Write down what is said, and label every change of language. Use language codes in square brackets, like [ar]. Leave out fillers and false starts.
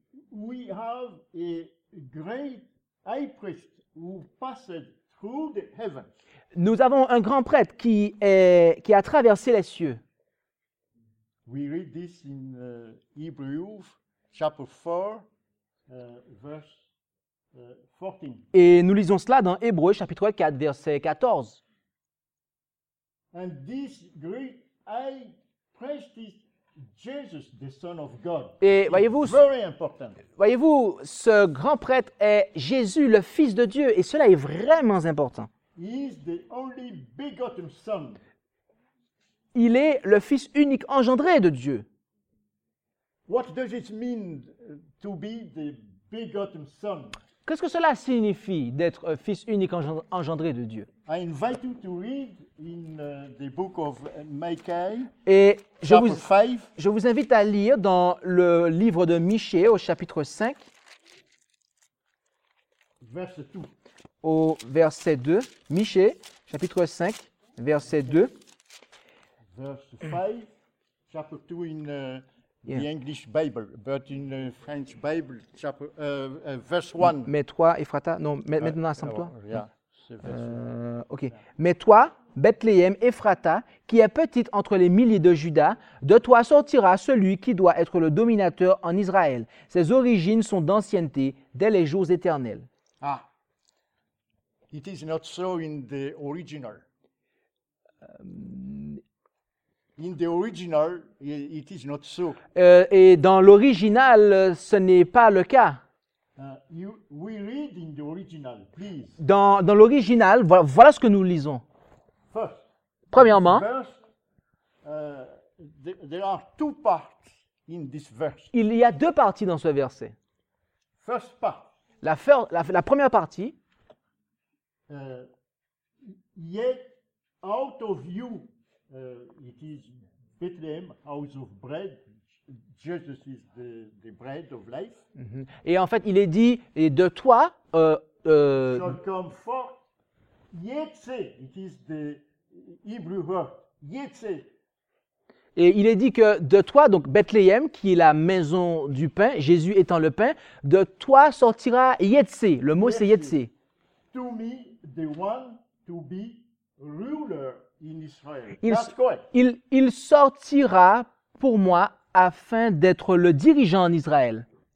[en] We have a great high priest who passed through the heavens. [fr] Nous avons un grand prêtre qui a traversé les cieux. [en] We read this in Hebrews chapter 4, verse 14. [fr] Et nous lisons cela dans Hébreux, chapitre 4, verset 14. [en] And this great high priest is Jesus, the Son of God. [fr] Et [en] It's very important. [fr] voyez-vous, ce grand prêtre est Jésus, le Fils de Dieu, et cela est vraiment important. [en] He is the only begotten Son. [fr] Il est le Fils unique engendré de Dieu. [en] What does it mean to be the begotten Son? [fr] Qu'est-ce que cela signifie d'être fils unique engendré de Dieu? [en] I invite you to read in the book of Micah. [fr] Et je vous invite à lire dans le livre de Michée au chapitre 5. Verset 2. Au verset 2. Michée, chapitre 5, verset 2. [en] Verse 5, chapter 2 in the English Bible, but in the French Bible, chapter, verse 1. [fr] Mets-toi, Ephrata. Non, maintenant, assemble-toi. Yeah, c'est OK. Mets-toi, Bethléem, Ephrata, qui est petite entre les milliers de Juda, de toi sortira celui qui doit être le dominateur en Israël. Ses origines sont d'ancienneté, dès les jours éternels. [en] Ah. It is not so in the original. In the original, it is not so. [fr] Et dans l'original, ce n'est pas le cas. [en] We read in the original, please. [fr] Dans l'original, voilà ce que nous lisons. [en] First, [fr] premièrement, [en] there are two parts in this verse. [fr] Il y a deux parties dans ce verset. [en] First part. [fr] La première partie. [en] Yet out of you, it is Bethlehem, house of bread. Jesus is the bread of life. Mm-hmm. [fr] Et en fait, il est dit, et de toi, [en] shall come forth. Yetze, it is the Hebrew word. Yetze. [fr] Et il est dit que de toi, donc Bethléem, qui est la maison du pain, Jésus étant le pain, de toi sortira Yetze. Le mot, c'est Yetze. [en] To me, the one to be ruler in Israel. That's correct. [fr] Il sortira pour moi afin d'être le dirigeant en Israël.